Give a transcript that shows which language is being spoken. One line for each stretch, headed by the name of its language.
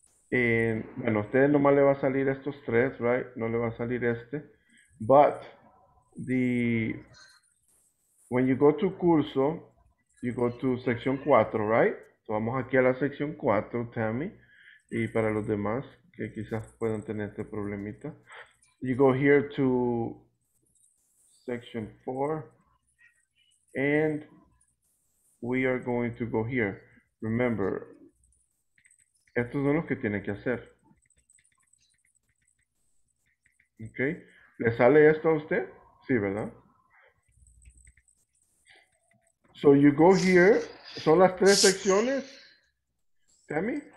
Spanish: Bueno, a ustedes nomás le va a salir estos 3, right? No le va a salir este.
English: But the when you go to curso, you go to sección 4, right?
Spanish: So vamos aquí a la sección 4, Tammy, y para los demás que quizás puedan tener este problemita.
English: You go here to section 4 and we are going to go here.
Spanish: Remember, estos son los que tienen que hacer. ¿Ok? ¿Le sale esto a usted? Sí, ¿verdad?
English: So you go here.
Spanish: ¿Son las 3 secciones, Tammy?